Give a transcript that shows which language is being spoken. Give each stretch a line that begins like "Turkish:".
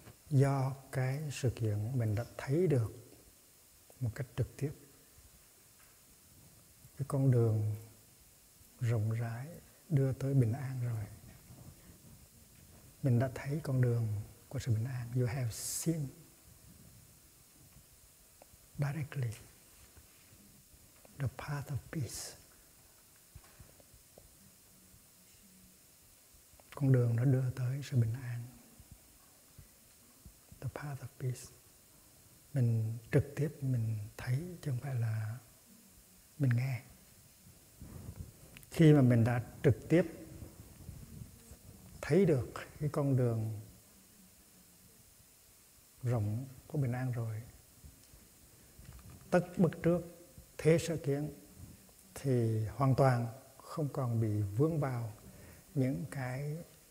Vietnamese: Do cái sự kiện mình đã thấy được một cách trực tiếp cái con đường rộng rãi đưa tới bình an rồi. Mình đã thấy con đường của sự bình an.
English: You have seen directly the path of peace.
Vietnamese: Con đường nó đưa tới sự bình an.
English: The path of peace.
Vietnamese: Mình trực tiếp mình thấy chứ không phải là mình nghe. Khi mà mình đã trực tiếp thấy được cái con đường rộng của bình an rồi, tất bất trước thế sở kiến, thì hoàn toàn không còn bị vướng vào những cái